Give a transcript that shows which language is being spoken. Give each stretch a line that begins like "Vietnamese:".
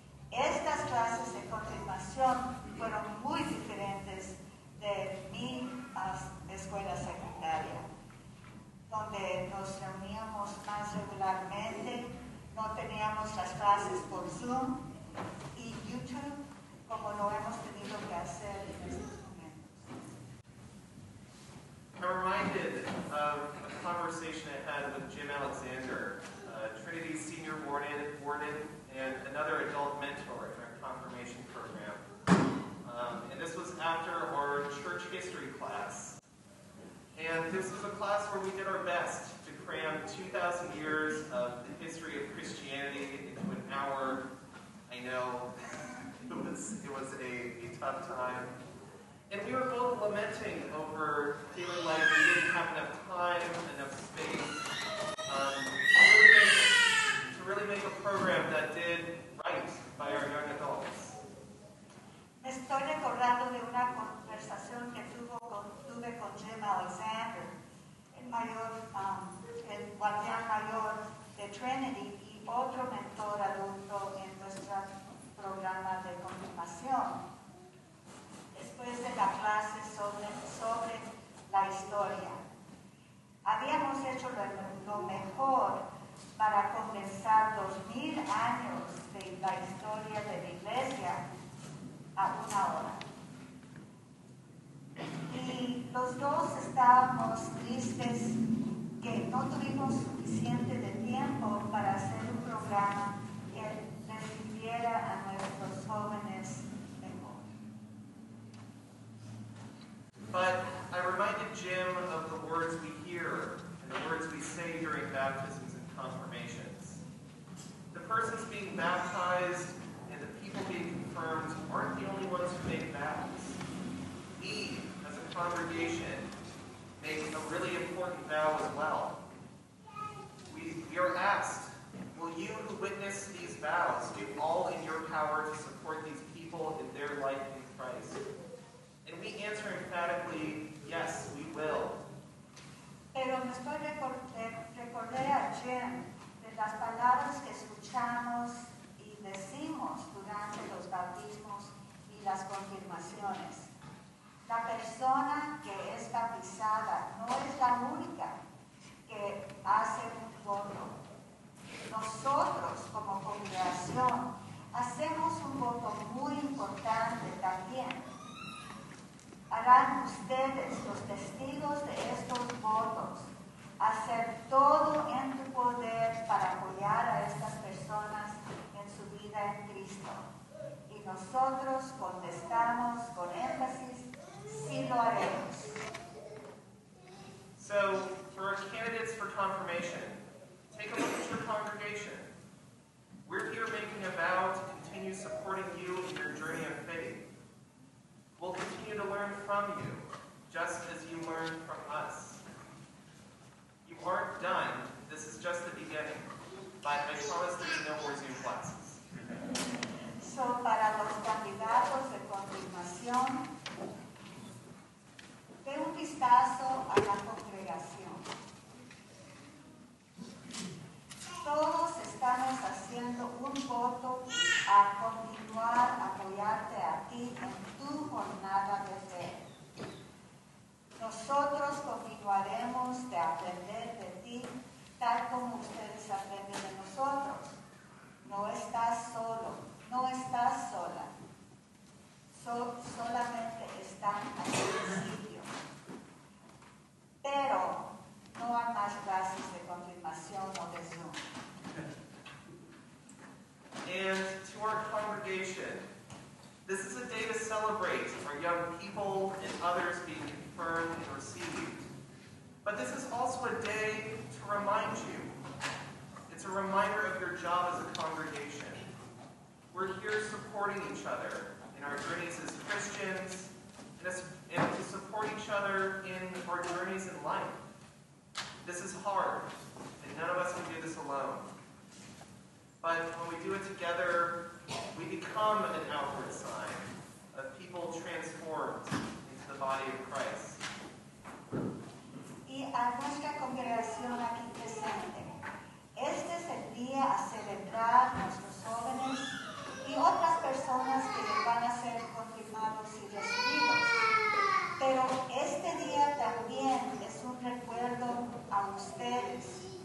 Spanish: Estas clases de confirmación fueron muy diferentes de mi escuela secundaria, donde nos reuníamos más regularmente, no teníamos las clases por Zoom y YouTube, como lo hemos tenido que hacer en estos momentos.
English: I'm reminded of a conversation I had with Jim Alexander, Trinity's senior warden and another adult mentor in our confirmation program. And this was after our church history class. And this was a class where we did our best to cram 2,000 years of the history of Christianity into an hour. I know, it was a tough time. And we were both lamenting over feeling like we didn't have enough time, enough space, to really make a program that did right by our young adults.
Spanish: Estoy recordando de una conversación que tuve con Jim Alexander, el mayor, el guardián mayor de Trinity y otro mentor adulto en nuestro programa de confirmación. Después de la clase sobre la historia, habíamos hecho lo mejor para condensar 2,000 años de la historia de la iglesia a una hora. Y los dos estábamos tristes que no tuvimos suficiente de tiempo para hacer un programa que recibiera a nuestros jóvenes mejor.
English: But I reminded Jim of the words we hear and the words we say during baptisms and confirmations. The persons being baptized and the people being confirmed aren't the only ones who make vows. We, as a congregation, make a really important vow as well. We are asked, will you who witness these vows do all in your power to support these people in their life in Christ? And we answer emphatically, yes, we will.
Spanish: Pero me estoy recordé a Jim de las palabras que escuchamos y decimos durante los bautismos y las confirmaciones. La persona que es bautizada no es la única que hace un voto. Nosotros, como congregación, hacemos un voto muy importante también. Harán ustedes, los testigos de estos votos, hacer todo en tu poder para apoyar a estas personas en su vida en Cristo. Y nosotros contestamos con énfasis, sí lo haremos.
English: So, for our candidates for confirmation, take a look at your congregation. We're here making a vow to continue supporting you in your journey of faith. We'll continue to learn from you, just as you learn from us. You aren't done. This is just the beginning. But I promise there's no more Zoom classes.
Spanish: So, para los candidatos de confirmación, de un vistazo a la congregación. Todos estamos haciendo un voto a continuar apoyarte a ti en tu jornada de fe. Nosotros continuaremos de aprender de ti tal como ustedes aprenden de nosotros. No estás solo, no estás sola. Solamente están al principio. Pero no hay más clases de confirmación o de Zoom.
English: And to our congregation, this is a day to celebrate our young people and others being confirmed and received. But this is also a day to remind you. It's a reminder of your job as a congregation. We're here supporting each other in our journeys as Christians, and to support each other in our journeys in life. This is hard, and none of us can do this alone. But when we do it together, we become an outward sign of people transformed into the body of Christ.
Spanish: Y a nuestra congregación aquí presente, este es el día a celebrar nuestros jóvenes y otras personas que van a ser confirmados y recibidos. Pero este día también es un recuerdo a ustedes.